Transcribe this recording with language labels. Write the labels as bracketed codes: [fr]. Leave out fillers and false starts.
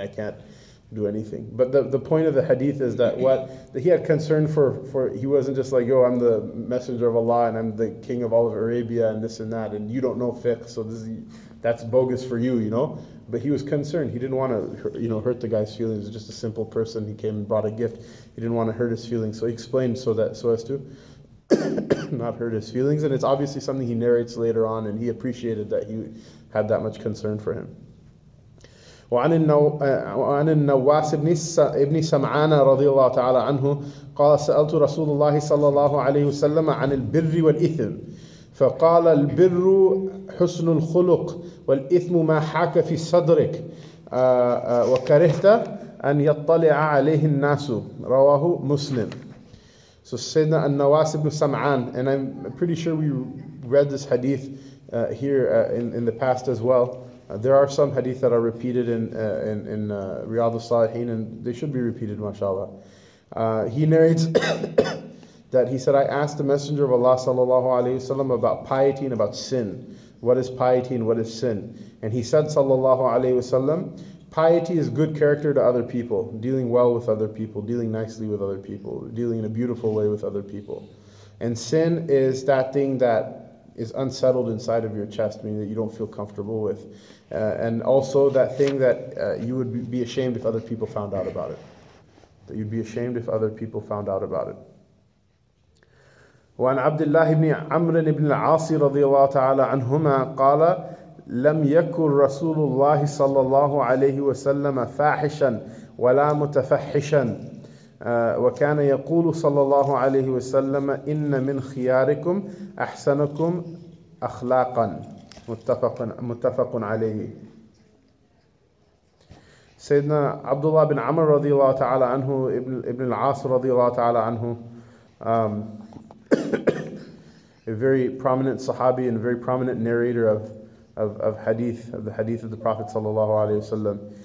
[en] I can't do anything. But the point of the hadith is that what he had concern for, he wasn't just like, yo, I'm the messenger of Allah and I'm the king of all of Arabia and this and that, and you don't know fiqh, so that's bogus for you, you know? But he was concerned. He didn't want to, you know, hurt the guy's feelings. He was just a simple person. He came and brought a gift. He didn't want to hurt his feelings. So he explained so as to not hurt his feelings. And it's obviously something he narrates later on, and he appreciated that he had that much concern for him. [ar] وعن النواس ابن سمعان رضي الله تعالى عنه قال سألت رسول الله صلى الله عليه وسلم عن البر والإثم فقال البر حسن الخلق والإثم ما حاك في صدرك وكرهت أن يطلع عليه الناس رواه مسلم. [en] So سيدنا النواس ابن سمعان, and I'm pretty sure we read this hadith here in the past as well. There are some hadith that are repeated in Riyad al-Salihin, and they should be repeated, mashallah. He narrates that he said, I asked the Messenger of Allah sallallahu alayhi wasallam about piety and about sin. What is piety and what is sin? And he said sallallahu alayhi wasallam, piety is good character to other people, dealing well with other people, dealing nicely with other people, dealing in a beautiful way with other people. And sin is that thing that is unsettled inside of your chest, meaning that you don't feel comfortable with. And also that thing that you would be ashamed if other people found out about it. That you'd be ashamed if other people found out about it. [ar] وعن عبد الله بن عمر بن العاص رضي الله تعالى عنهما قال لم يكن رسول الله صلى الله عليه وسلم فاحشا ولا متفحشا وكان يقول صلى الله عليه وسلم إن من خياركم أحسنكم أخلاقا متفق عليه. سيدنا عبد الله بن عمر رضي الله تعالى عنه [en] ابن العاص رضي الله تعالى عنه a very prominent Sahabi and a very prominent narrator of hadith, of the hadith of the Prophet sallallahu alaihi wasallam.